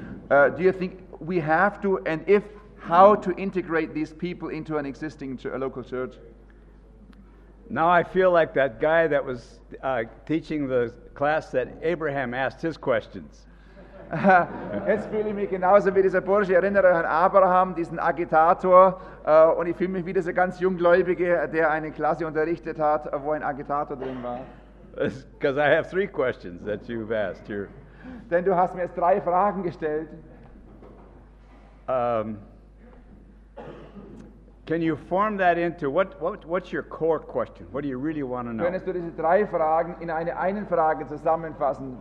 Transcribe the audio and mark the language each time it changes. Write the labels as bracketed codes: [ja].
[en] Do you think we have to, and if, how to integrate these people into an existing local church? Now I feel like that guy that was teaching the class that Abraham asked his questions. [de] Jetzt fühle ich mich genauso wie dieser Bursche. Ich erinnere an Abraham, diesen Agitator. Und ich fühle mich wie dieser ganz Junggläubige, der eine Klasse unterrichtet hat, wo ein Agitator drin war. [en] Because I have three questions that you've asked here. [de] Denn du hast mir jetzt drei Fragen gestellt. [en] Can you form that into what's your core question? What do you really want to know? [de] Könntest du diese drei Fragen in eine einen Frage zusammenfassen?